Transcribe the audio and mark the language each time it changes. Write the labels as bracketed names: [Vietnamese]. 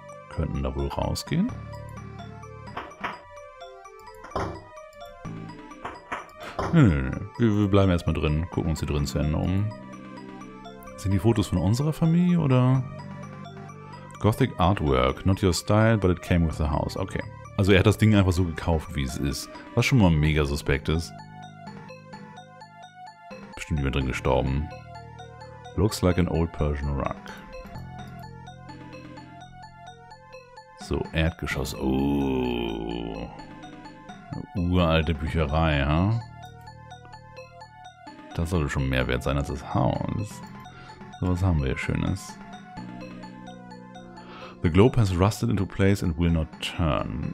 [German] Könnten da wohl rausgehen. Wir bleiben erstmal drin, gucken uns hier drin zu Ende um. Sind die Fotos von unserer Familie oder? [English] Gothic Artwork, not your style, but it came with the house. Okay. [German] Also er hat das Ding einfach so gekauft, wie es ist. Was schon mal mega suspekt ist. Bestimmt jemand drin gestorben. [English] Looks like an old Persian rug. [German] So, Erdgeschoss. Oh. Uralte Bücherei, ha? Huh? Das sollte schon mehr wert sein als das Haus. So, was haben wir hier Schönes? [English] The globe has rusted into place and will not turn.